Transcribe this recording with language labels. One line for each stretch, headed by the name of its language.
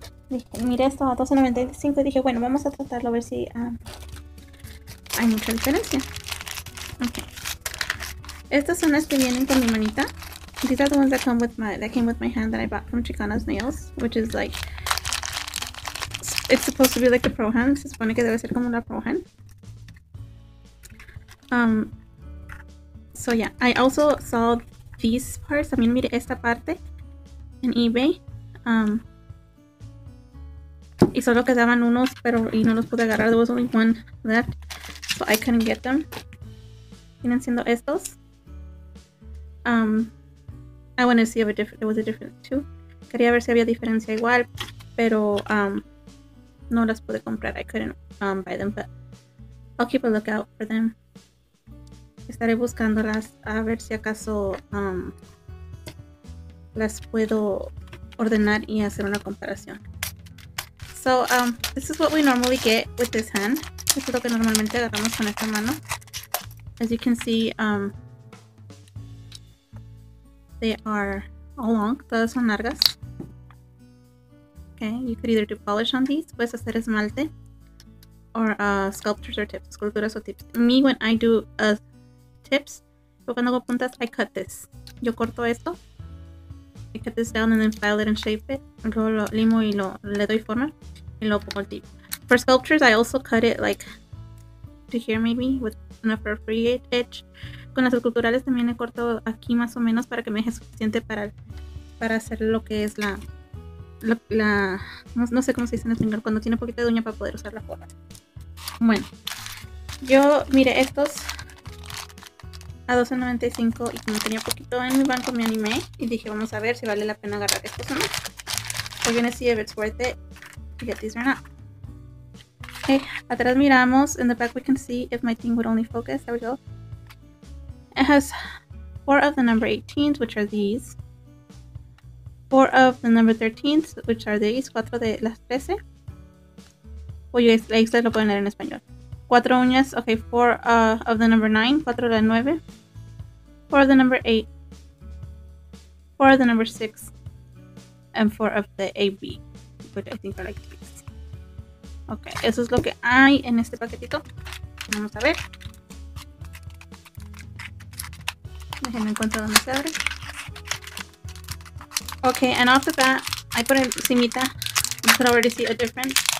Spanish: Dije, miré esto a $12.95 y dije, bueno, vamos a tratarlo a ver si hay mucha diferencia. Okay. Estas son las que vienen con mi manita.
English: These are the ones that come with my hand that I bought from Chicana's Nails, which is like it's supposed to be like the pro hand.
Spanish: Se supone que debe ser como una pro hand.
English: So yeah, I also saw these parts.
Spanish: También miré esta parte en eBay. Y solo quedaban unos, pero y no los pude agarrar.
English: There was only one left, so I couldn't get them.
Spanish: Vienen siendo estos.
English: I wanted to see if there was a difference too.
Spanish: Quería ver si había diferencia igual, pero no las pude comprar.
English: I couldn't buy them, but I'll keep a lookout for them.
Spanish: Estaré buscándolas a ver si acaso las puedo ordenar y hacer una comparación.
English: So, this is what we normally get with this hand.
Spanish: Esto es lo que normalmente agarramos con esta mano.
English: As you can see, they are all long,
Spanish: todas son largas.
English: Okay, you could either do polish on these,
Spanish: puedes hacer esmalte,
English: or sculptures or tips,
Spanish: esculturas o tips.
English: Me, when I do tips,
Spanish: yo cuando hago puntas,
English: I cut this.
Spanish: Yo corto esto,
English: I cut this down and then file it and shape it.
Spanish: Luego lo limo y lo le doy forma, y lo pongo el tip. For sculptures, I also cut it like to here maybe, with enough for a free edge. Con las esculturales también he cortado aquí más o menos para que me deje suficiente para hacer lo que es la no, no sé cómo se dice en español, cuando tiene un poquito de uña para poder usar la forma. Bueno, yo miré estos a $12.95 y como tenía poquito en mi banco me animé y dije vamos a ver si vale la pena agarrar estos o no.
English: We're gonna see if it's worth it to get these or not. Okay,
Spanish: atrás miramos,
English: in the back we can see if my thing would only focus, there we go. It has 4 of the number 18s, which are these. 4 of the number 13s, which are these.
Spanish: 4 de las 13. Oye, ahí ustedes lo pueden leer en español. 4 uñas,
English: ok. 4 of the number 9,
Spanish: 4 de la 9.
English: 4 of the number 8. 4 of the number 6. And 4 of the AB, which I think are like these.
Spanish: Ok, eso es lo que hay en este paquetito. Vamos a ver. Déjenme encontrar donde se abre.
English: Okay, and off the bat, I put encimita. You can already see a difference.